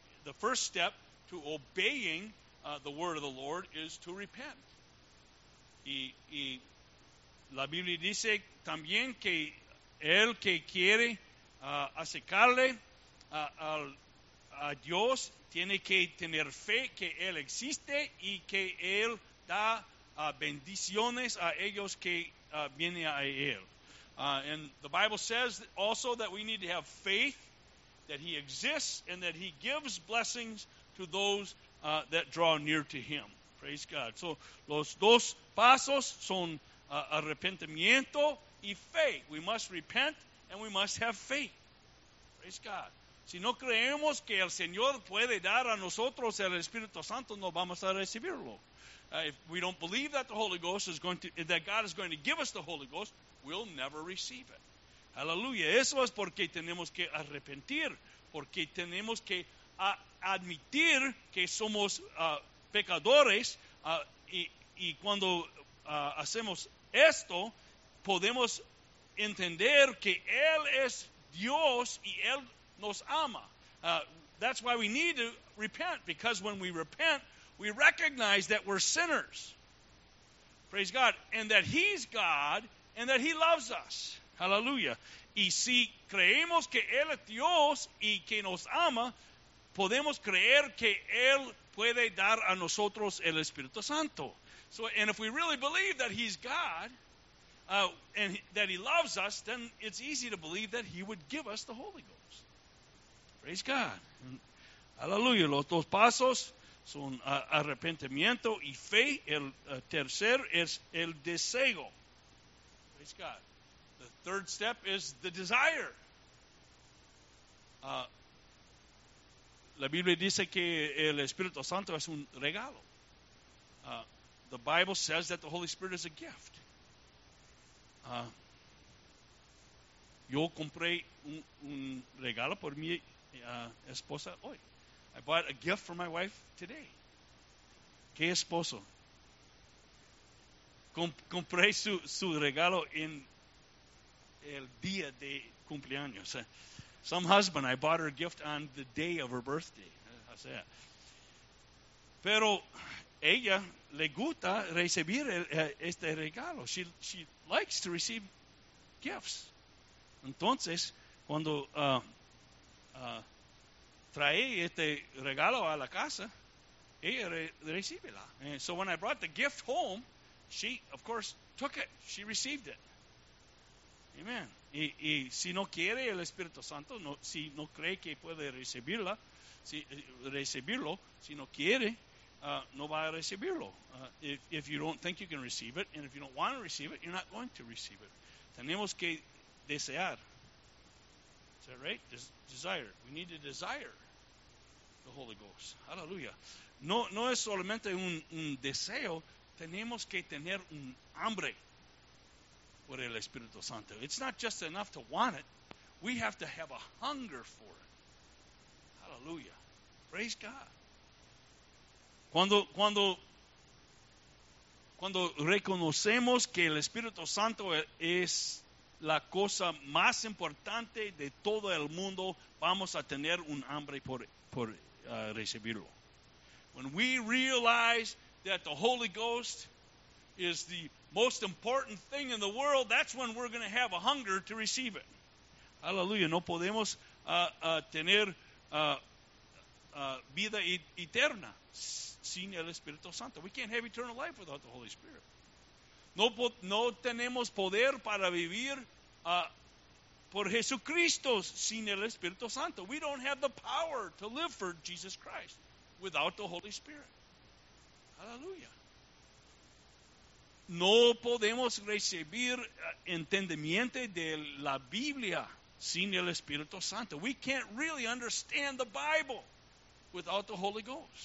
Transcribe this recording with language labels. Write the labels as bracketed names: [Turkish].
[English] The first step to obeying the word of the Lord is to repent. [Spanish] Y la Biblia dice también que el que quiere acercarle a Dios tiene que tener fe que Él existe y que Él da bendiciones a ellos que vienen a Él. [English] And the Bible says also that we need to have faith that He exists and that He gives blessings to those that draw near to Him. Praise God. [Spanish] So los dos pasos son arrepentimiento y fe. [English] We must repent and we must have faith. Praise God. [Spanish] Si no creemos que el Señor puede dar a nosotros el Espíritu Santo, no vamos a recibirlo. [English] If we don't believe that the Holy Ghost is going to, that God is going to give us the Holy Ghost, we'll never receive it. Hallelujah. [Spanish] Eso es porque tenemos que arrepentir, porque tenemos que admitir que somos pecadores, y cuando hacemos esto, podemos entender que Él es Dios y Él nos ama. [English] That's why we need to repent, because when we repent, we recognize that we're sinners. Praise God. And that He's God and that He loves us. Hallelujah. [Spanish] Y si creemos que Él es Dios y que nos ama, podemos creer que Él puede dar a nosotros el Espíritu Santo. [English] So, and if we really believe that He's God, and that He loves us, then it's easy to believe that He would give us the Holy Ghost. Praise God. Hallelujah. [Spanish] Los dos pasos son arrepentimiento y fe. El tercer es el deseo. [English] Praise God. The third step is the desire. [Spanish] La Biblia dice que el Espíritu Santo es un regalo. [English] The Bible says that the Holy Spirit is a gift. [Spanish] Yo compré un regalo por mi esposa hoy. [English] I bought a gift for my wife today. [Spanish] ¿Qué esposo? Compré su regalo en el día de cumpleaños. [English] Some husband, I bought her a gift on the day of her birthday. [Spanish] O sea, pero ella le gusta recibir este regalo. [English] She likes to receive gifts. [Spanish] Entonces, cuando trae este regalo a la casa, ella recibe la. [English] So when I brought the gift home, she, of course, took it. She received it. Amen. [Spanish] Y si no quiere el Espíritu Santo, no, si no cree que puede recibirla, si no quiere, no va a recibirlo. [English] If you don't think you can receive it, and if you don't want to receive it, you're not going to receive it. [Spanish] Tenemos que desear. [English] that right? Desire. We need to desire the Holy Ghost. Hallelujah. [Spanish] No es solamente un deseo. Tenemos que tener un hambre por el Espíritu Santo. [English] It's not just enough to want it. We have to have a hunger for it. Hallelujah. Praise God. [Spanish] Cuando reconocemos que el Espíritu Santo es la cosa más importante de todo el mundo, vamos a tener un hambre por recibirlo. [English] When we realize that the Holy Ghost is the most important thing in the world, that's when we're going to have a hunger to receive it. Hallelujah. [Spanish] No podemos tener vida eterna sin el Espíritu Santo. [English] We can't have eternal life without the Holy Spirit. [Spanish] No tenemos poder para vivir por Jesucristo sin el Espíritu Santo. [English] We don't have the power to live for Jesus Christ without the Holy Spirit. Hallelujah. [Spanish] No podemos recibir entendimiento de la Biblia sin el Espíritu Santo. [English] We can't really understand the Bible without the Holy Ghost.